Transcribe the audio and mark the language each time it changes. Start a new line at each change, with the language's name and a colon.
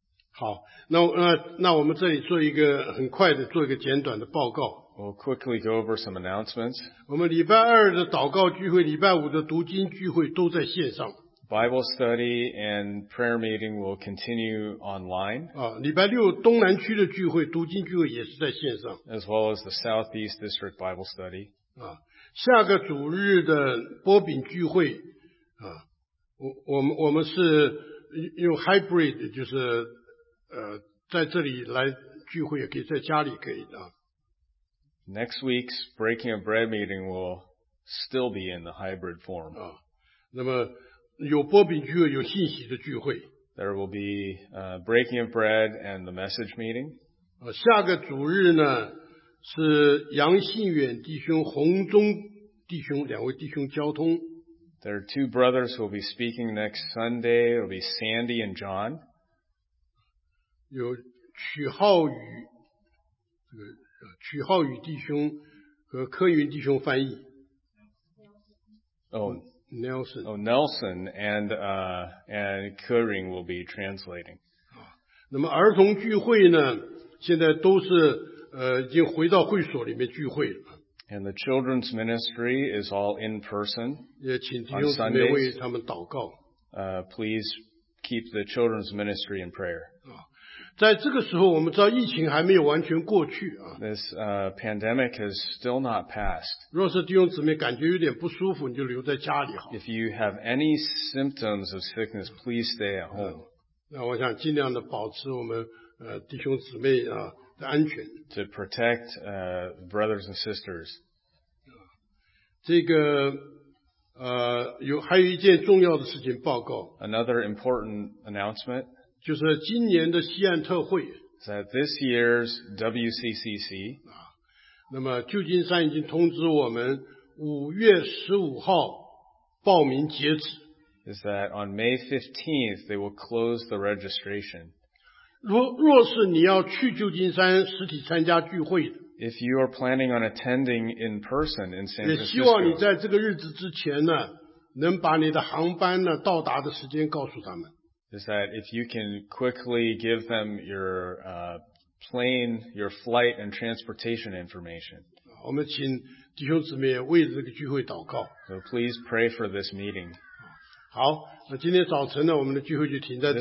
Chinese: 好，那我们这里做一个很快的，做一个简短的报告。
English: We'll quickly go over some announcements.
Chinese: 我们礼拜二的祷告聚会，礼拜五的读经聚会都在线上。
English: Bible study and prayer meeting will continue online.
Chinese: 啊，礼拜六东南区的聚会，读经聚会也是在线上。
English: As well as the Southeast District Bible study.
Chinese: 啊，下个主日的波饼聚会，啊，我们是用 hybrid， 就是在这里来聚会，也可以在家里可以的。
English: Next week's breaking of bread meeting will still be in the hybrid form.
Chinese: 啊，那么有波饼聚会，有信息的聚会。
English: There will be breaking of bread and the message meeting.
Chinese: 啊，下个主日呢是杨信远弟兄、洪忠弟兄两位弟兄交通。
English: There are two brothers who will be speaking next Sunday. It will be Sandy and John.
Chinese: 有曲浩宇。曲浩宇弟兄和柯云弟兄翻译。
English: Nelson and 柯云 will be translating.
Chinese: 那么儿童聚会呢？现在都是已经回到会所里面聚会了。
English: And the children's ministry is all in person.
Chinese: 也请弟兄姊妹为他们祷告。
English: Please keep the children's ministry in prayer.
Chinese: 在这个时候，我们知道疫情还没有完全过去啊。
English: This pandemic has still not passed.
Chinese: 若是弟兄姊妹感觉有点不舒服，你就留在家里好。
English: If you have any symptoms of sickness, please stay at home.
Chinese: 那我想尽量的保持我们弟兄姊妹啊的安全。
English: To protect brothers and sisters.
Chinese: 这个还有一件重要的事情报告。
English: Another important announcement.
Chinese: 就是今年的西岸特会。
English: That this year's WCCC.
Chinese: 那么旧金山已经通知我们5月15号报名截止。
English: Is that on May 15th, they will close the registration.
Chinese: 若是你要去旧金山实体参加聚会的。
English: If you are planning on attending in person in San Francisco.
Chinese: 也希望你在这个日子之前呢能把你的航班呢到达的时间告诉他们。
English: Is that if you can quickly give them your plane, your flight and transportation information.
Chinese: 我们请弟兄姊妹为这个聚会祷告。
English: So please pray for this meeting.
Chinese: 好，那今天早晨呢，我们的聚会就停在这里。